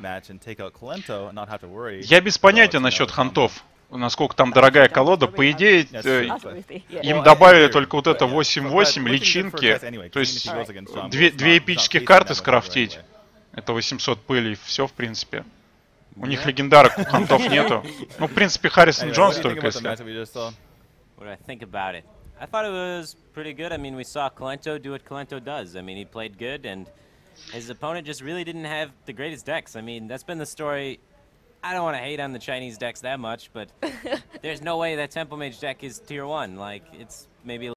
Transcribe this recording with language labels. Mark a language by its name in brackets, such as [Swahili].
[English] Match and take out Kalento and not have to worry. [Russian] Я без понятия насчет хантов. Насколько там дорогая колода, по идее, им добавили только вот это 8-8 личинки, то есть две эпических карты скрафтить, это 800 пыли, все в принципе. У них легендарок, у хантов нету. Ну, в принципе, Харрисон Джонс только если. [English] What I think about it? I thought it was pretty good. I mean, we saw Kalento do what Kalento does. I mean, he played good, and his opponent just really didn't have the greatest decks. I mean, that's been the story. I don't want to hate on the Chinese decks that much, but there's no way that Temple Mage deck is tier one. Like, it's maybe...